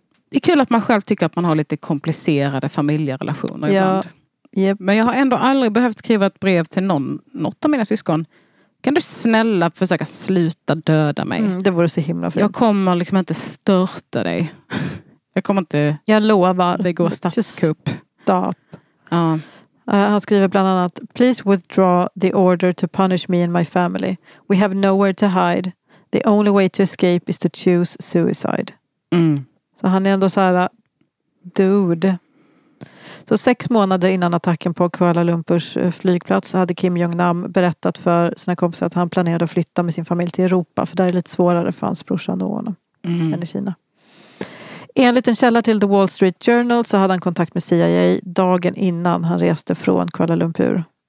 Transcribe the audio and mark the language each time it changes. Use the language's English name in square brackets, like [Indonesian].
[Swedish] Det är kul att man själv tycker att man har lite komplicerade familjerelationer ibland. Ja. Yep. Men jag har ändå aldrig behövt skriva ett brev till någon, något av mina syskon. Kan du snälla försöka sluta döda mig? Mm, det vore så himla fint. Jag kommer liksom inte störta dig. Jag kommer inte... Jag lovar. Det går statskupp. Stop. Ja. Han skriver bland annat: [English] please withdraw the order to punish me and my family. We have nowhere to hide. The only way to escape is to choose suicide. Mm. [Swedish] Så han är ändå så här, dude. Så 6 månader innan attacken på Kuala Lumpurs flygplats hade Kim Jong-nam berättat för sina kompisar att han planerade att flytta med sin familj till Europa. För där är det lite svårare för hans brorsa än honom än i Kina. Enligt en källa till The Wall Street Journal så hade han kontakt med CIA dagen innan han reste från Kuala Lumpur.